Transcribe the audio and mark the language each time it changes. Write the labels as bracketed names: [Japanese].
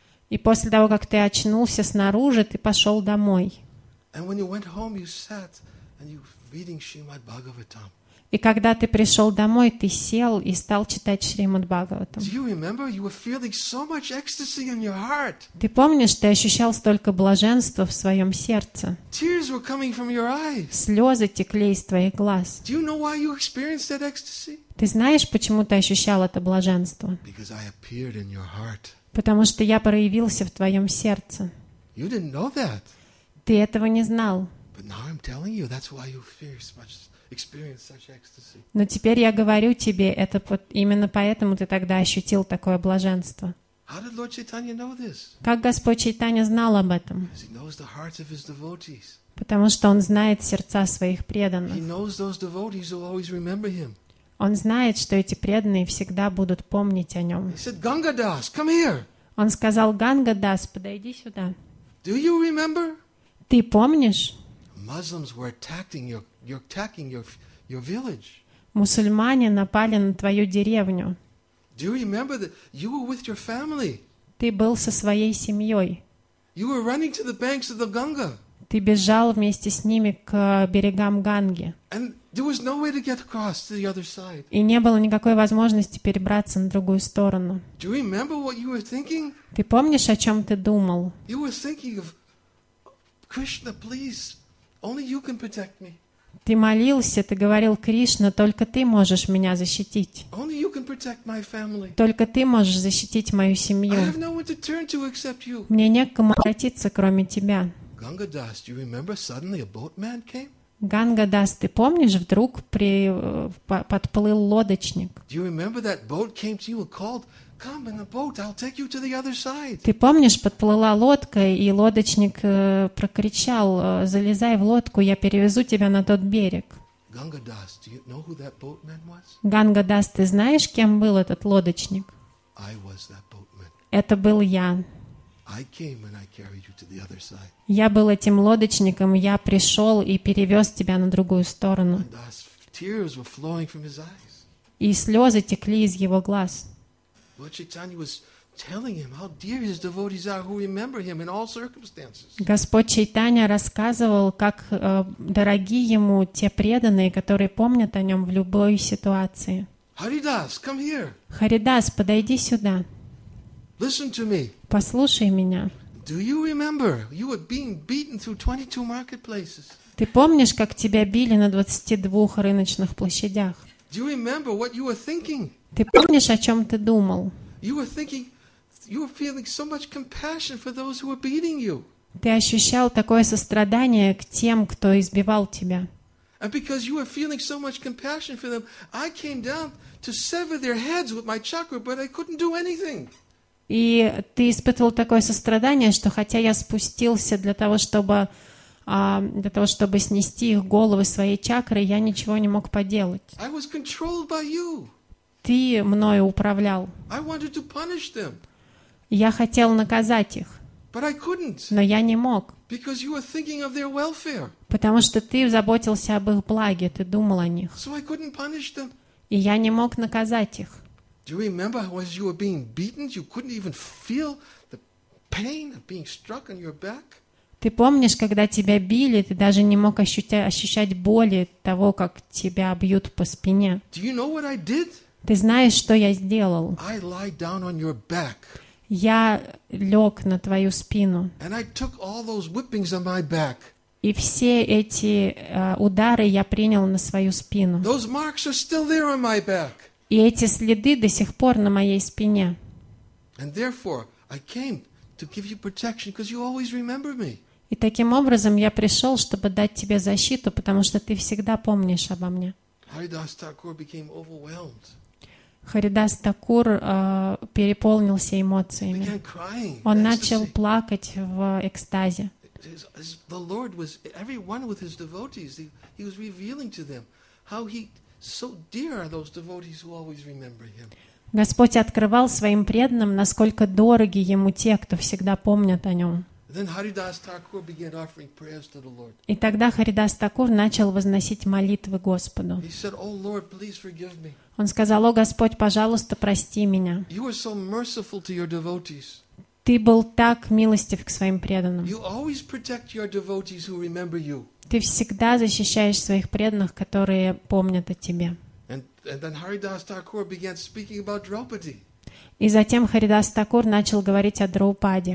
[Russian] И после того, как ты очнулся снаружи, ты пошел домой. И когда ты вернулся, ты сел и читал Шримад Бхагаватам. И когда ты пришел домой, ты сел и стал читать Шримад Бхагаватам. [English] Do you remember? You were feeling so much ecstasy in your heart. [Russian] Ты помнишь, ты ощущал столько блаженства в своем сердце? [English] Tears were coming from your eyes. [Russian] Слезы текли из твоих глаз. [English] Do you know why you experienced that ecstasy? [Russian] Ты знаешь, почему ты ощущал это блаженство? [English] Because I appeared in your heart. [Russian] Потому что я проявился в твоем сердце. [English] You didn't know that. [Russian] Ты этого не знал. [English] But now I'm telling you, that's why you fear so much. Experience such ecstasy. [Russian] Но теперь я говорю тебе, это именно поэтому ты тогда ощутил такое блаженство. [English] How did Lord Chaitanya know this? [Russian] Как Господь Чайтанья знал об этом? [English] He knows the hearts of his devotees. [Russian] Потому что он знает сердца своих преданных. [English] He knows those devotees will always remember him. [Russian] Он знает, что эти преданные всегда будут помнить о нем. [English] He said, Ganga Das, come here. [Russian] Он сказал, Ганга Дас, подойди сюда. [English] Do you remember? [Russian] Ты помнишь? [English] Muslims were attacking your You're attacking your village. [Russian] Мусульмане напали на твою деревню. [English] Do you remember that you were with your family? [Russian] Ты был со своей семьей. [English] You were running to the banks of the Ganga. [Russian] Ты бежал вместе с ними к берегам Ганги. [English] And there was no way to get across to the other side. [Russian] И не было никакой возможности перебраться на другую сторону. [English] Do you remember what you were thinking? [Russian] Ты помнишь, о чем ты думал? [English] You were thinking of Krishna, please, only you can protect me. [Russian] Ты молился, ты говорил, Кришна, только ты можешь меня защитить. [English] Only you can protect my family. [Russian] Только ты можешь защитить мою семью. [English] I have no one to turn to except you. [Russian] Мне не к кому обратиться, кроме тебя. [English] Ganga Das, do you remember suddenly a boatman came? [Russian] Ganga Das, ты помнишь, вдруг подплыл лодочник? [English] Do you remember that boat came to you and called? Come in the boat, I'll take you to the other side. [Russian] Ты помнишь, подплыла лодка, и лодочник прокричал: "Залезай в лодку, я перевезу тебя на тот берег". [English] Ganga Das, do you know who that boatman was? [Russian] Ganga Das, ты знаешь, кем был этот лодочник? [English] I was that boatman. [Russian] Это был я. [English] I came and I carried you to the other side. [Russian] Я был этим лодочником, я пришел и перевез тебя на другую сторону. [English] Ganga Das, tears were flowing from his eyes. [Russian] И слезы текли из его глаз. [English] Lord Chaitanya was telling him how dear his devotees are who remember him in all circumstances. [Russian] Господь Чайтанья рассказывал, как дороги ему те преданные, которые помнят о нем в любой ситуации. [English] Харидас, come here. [Russian] Харидас, подойди сюда. [English] Listen to me. [Russian] Послушай меня. [English] Do you remember you were being beaten through 22 marketplaces? [Russian] Ты помнишь, как тебя били на 22 рыночных площадях? [English] Do you remember what you were thinking? [Russian] Ты помнишь, о чем ты думал? [English] You were thinking, you were feeling so much compassion for those who were beating you. [Russian] Ты ощущал такое сострадание к тем, кто избивал тебя. [English] And because you were feeling so much compassion for them, I came down to sever their heads with my chakra, but I couldn't do anything. [Russian] И ты испытывал такое сострадание, что хотя я спустился для того, чтобы снести их головы своей чакрой, я ничего не мог поделать. [English] I was controlled by you. [Russian] Ты мною управлял. [English] I wanted to punish them. [Russian] Я хотел наказать их. [English] But I couldn't. [Russian] Но я не мог. [English] Because you were thinking of their welfare. [Russian] Потому что ты заботился об их благе, ты думал о них. [English] So I couldn't punish them. [Russian] И я не мог наказать их. [English] Do you remember as you were being beaten, you couldn't even feel the pain of being struck on your back? [Russian] Ты помнишь, когда тебя били, ты даже не мог ощущать боли того, как тебя бьют по спине? [English] Do you know what I did? [Russian] Ты знаешь, что я сделал? [English] I lay down on your back. [Russian] Я лег на твою спину. [English] And I took all those whippings on my back. [Russian] И все эти удары я принял на свою спину. [English] Those marks are still there on my back. [Russian] И эти следы до сих пор на моей спине. [English] And therefore, I came to give you protection, because you always remember me. [Russian] И таким образом я пришел, чтобы дать тебе защиту, потому что ты всегда помнишь обо мне. [English] Haridas Thakur became overwhelmed. [Russian] Харидас Такур переполнился эмоциями. [English] He began crying. [Russian] Он начал плакать в экстазе. [English] The Lord was everyone with his devotees. He was revealing to them how he so dear are those devotees who always remember him. [Russian] Господь открывал своим преданным, насколько дороги ему те, кто всегда помнят о нем. [English] Then Haridas Thakur began offering prayers to the Lord. [Russian] И тогда Харидас Такур начал возносить молитвы Господу. [English] He said, "Oh Lord, please forgive me." [Russian] Он сказал: "О Господь, пожалуйста, прости меня." [English] You are so merciful to your devotees. [Russian] Ты был так милостив к своим преданным. [English] You always protect your devotees who remember you. [Russian] Ты всегда защищаешь своих преданных, которые помнят о тебе. [English] And then Haridas Thakur began speaking about Draupadi. [Russian] И затем Харидас Такур начал говорить о Драупаде.